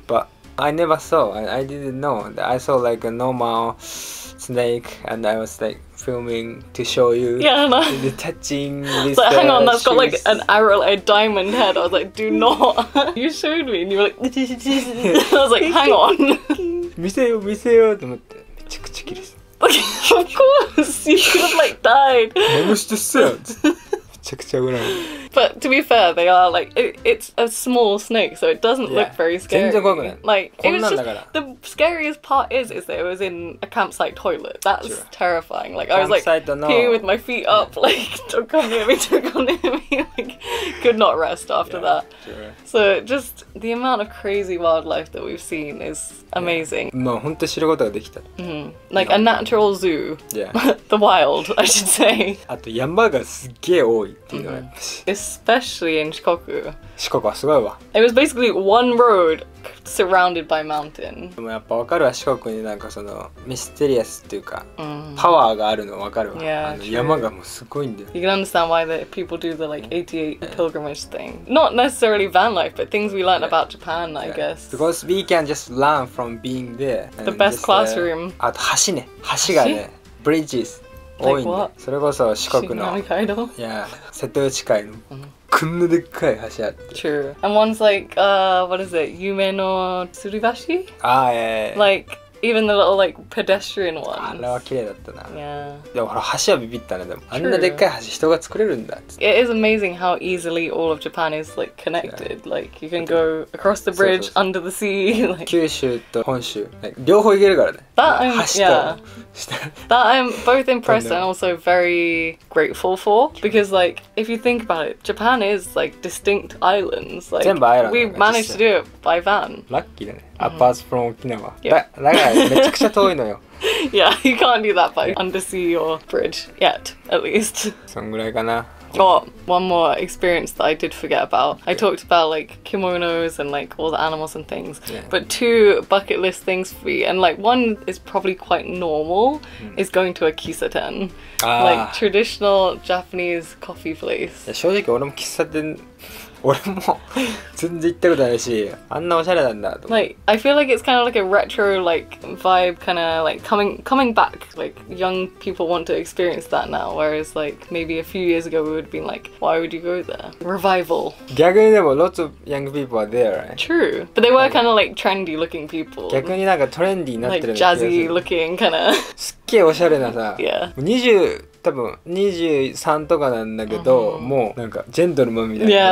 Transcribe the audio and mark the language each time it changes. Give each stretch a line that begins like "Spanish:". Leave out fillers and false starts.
English: But I never saw, I didn't know. I saw like a normal snake and I was like filming to show you. Yeah, no. The touching. It's like, hang on, that's got like an arrow, like a diamond head. I was like, do not. You showed me and you were like, I was like, hang on.
Japanese: 見せよう見せようと思って、めっちゃくちゃ綺麗です。
English: Okay, of course, you could have like died. But to be fair, they are like, it's a small snake, so it doesn't look very scary. Like, it was just, the scariest part is that it was in a campsite toilet. That's terrifying. Like, I was like, peeing with my feet up, like, don't come near me. Like, could not rest after that. So, just the amount of crazy wildlife that we've seen is amazing. Like, a natural zoo. Yeah. The wild, I should say.
Japanese: あと山がすげえ多い。Mm-hmm.
English: Especially in Shikoku.
Japanese: Shikoku はすごいわ.
English: It was basically one road surrounded by mountain.
Japanese: でもやっぱわかるわ、四国になんかそのミステリアスっていうか、パワーがあるのわかるわ。
English: Yeah,
Japanese: あの山がもうすごいんだよ。
English: You can understand why the people do the like 88 pilgrimage thing. Not necessarily van life, but things we learn about Japan, I guess. Because we can just learn from being there. The best classroom.
Japanese: あと橋ね、橋がね、bridges 多いんで。それこそ四国の、いや、瀬戸内海の。こんなでっかい橋あって。
English: True. And one's like, what is it? 夢の吊り橋？ああ、yeah, yeah. Like even the little like pedestrian ones.
Japanese: あれは綺麗だったな。
English: Yeah.
Japanese: でもほら橋はビビったね。でも、True. あんなでっかい橋人が作れるんだっつって。
English: It is amazing how easily all of Japan is like connected. Yeah. Like you can go across the bridge, under the sea. Like...
Japanese: 九州と本州、like, 両方行けるからね。
English: That I'm, 橋と、yeah. That I'm both impressed and also very grateful for because like if you think about it, Japan is like distinct islands. Like
Japanese: 全部アイランド。
English: We managed to do it by van.
Japanese: ラッキーだね。
English: Apart from
Japanese: 沖縄。だからめちゃくちゃ遠いのよ。
English: Yeah, you can't do that by undersea or bridge yet, at least.
Japanese: そんぐらいかな。
English: Oh, one more experience that I did forget about. I talked about like kimonos and like all the animals and things. Yeah. But two bucket list things for me, and like one is probably quite normal, is going to a kisaten. Ah. Like traditional Japanese coffee place.
Japanese: Yeah, 正直俺も喫茶店、俺も全然行ったことないし、あんなおしゃれなんだと。
English: Like, I feel like it's kind of like a retro like vibe, kind of like coming back. Like young people want to experience that now, whereas like maybe a few years ago we would have been like, why would you go there? Revival.
Japanese: 逆にでも
English: lots of young people are there, right? True, but they were kind of like trendy looking people.
Japanese: 逆になんかトレンディーになってる。
English: Like jazzy looking kind of.
Japanese: すっげえおしゃれなさ。
English: Yeah.
Japanese: 多分23とかなんだけど、mm-hmm. もうなんかジェントルマンみたいな。